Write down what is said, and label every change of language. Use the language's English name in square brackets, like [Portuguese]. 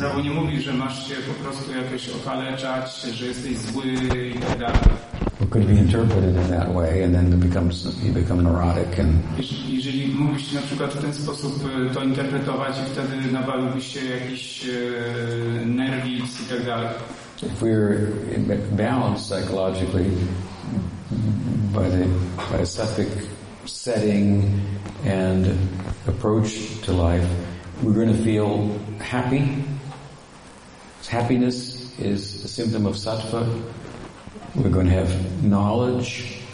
[Polish] Mahaprabhu nie mówi, że masz się po prostu jakoś okaleczać, że jesteś zły i tak dalej. [English] Could be interpreted in that way, and then you become neurotic. And [Polish] jeżeli mówisz na przykład w ten sposób to interpretować, i wtedy nawaliłbyś się jakiś nerwic i tak dalej. [English] If we're balanced psychologically by a sattvic setting and approach to life, we're going to feel happy. Happiness is a symptom of sattva. We're going to have knowledge.